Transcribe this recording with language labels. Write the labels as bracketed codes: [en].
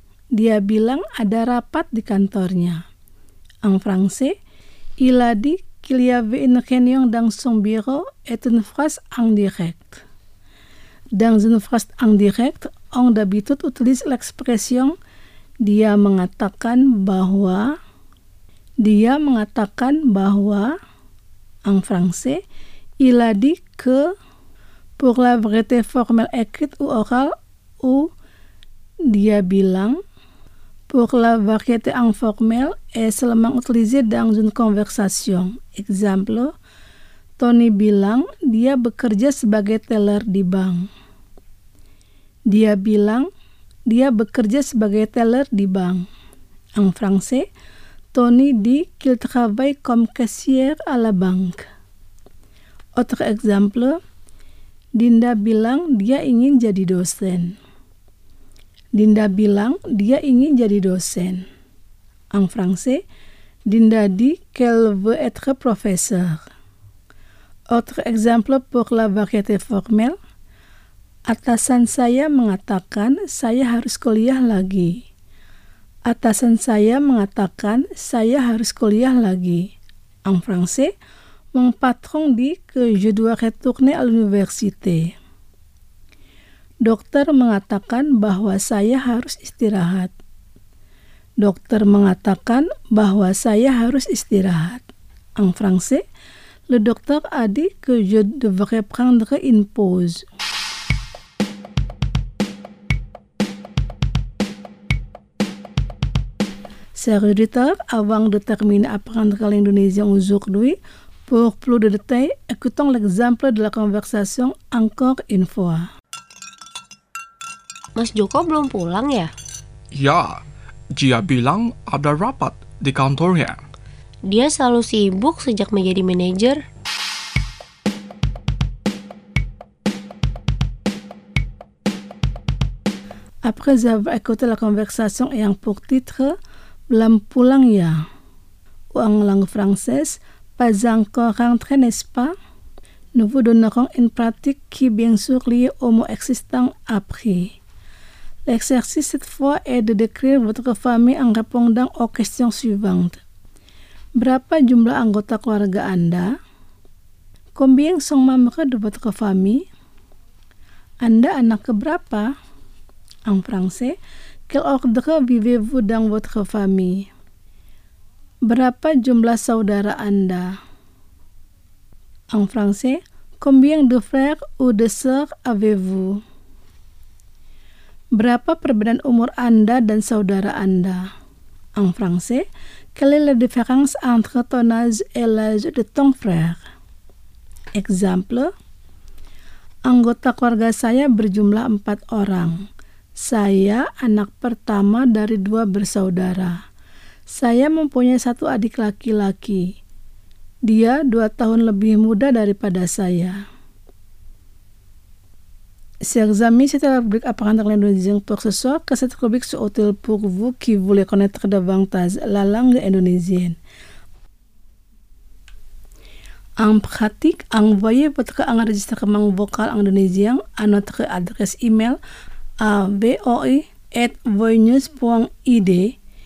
[id] Dia bilang ada rapat di kantornya. [fr] En français, il a dit qu'il y avait une réunion dans son bureau est une phrase en direct. Dans une phrase en direct, on d'habitude utilise l'expression [id] dia mengatakan bahwa. Dia mengatakan bahwa. [fr] En français, il a dit que. Pour la vérité formelle écrite ou orale, ou [id] dia bilang, [fr] pour la variété informelle est seulement utilisée dans une conversation. [id] Exemple, Tony bilang dia bekerja sebagai teller di bank. Dia bilang dia bekerja sebagai teller di bank. [fr] En français, Tony dit qu'il travaille comme caissier à la banque. Autre exemple, [id] Dinda bilang dia ingin jadi dosen. Dinda bilang dia ingin jadi dosen. [fr] En français, Dinda dit qu'elle veut être professeur. Autre exemple pour la variété formelle, [id] atasan saya mengatakan saya harus kuliah lagi. Atasan saya mengatakan saya harus kuliah lagi. [fr] En français, mon patron dit que je dois retourner à l'université. [id] Dokter mengatakan bahwa saya harus istirahat. Dokter mengatakan bahwa saya harus istirahat. [fr] En français, le docteur a dit que je devrais prendre une pause. Chers auditeurs, avant de terminer apprendre l'indonésien aujourd'hui, pour plus de détails, écoutons l'exemple de la conversation encore une fois. [id] Mas Joko belum pulang ya? Ya, dia bilang ada rapat di kantornya. Dia selalu sibuk sejak menjadi manajer. [fr] Après avoir écouté la conversation ayant pour titre [id] Belum pulang ya? [fr] En langue française, pas encore rentré, n'est-ce pas? Nous vous donnerons une pratique qui bien sûr liée au mot existant appris. L'exercice cette fois est de décrire votre famille en répondant aux questions suivantes. [id] Berapa jumlah anggota keluarga Anda? [fr] Combien sont membres de votre famille? [id] Anda anak keberapa? [fr] En français, quel ordre vivez-vous dans votre famille? [id] Berapa jumlah saudara Anda? [fr] En français, combien de frères ou de sœurs avez-vous? [id] Berapa perbedaan umur Anda dan saudara Anda? [fr] En français, quelle est la différence entre ton âge et l'âge de ton frère? [id] Exemple, anggota keluarga saya berjumlah 4 orang. Saya anak pertama dari 2 bersaudara. Saya mempunyai 1 adik laki-laki. Dia 2 tahun lebih muda daripada saya. [fr] Chers amis, c'était la rubrique Apprendre l'indonésien pour ce soir. Que cette rubrique soit utile pour vous qui voulez connaître davantage la langue indonésienne. En pratique, envoyez votre enregistrement vocal indonésien à notre adresse email avoi@voinews.id.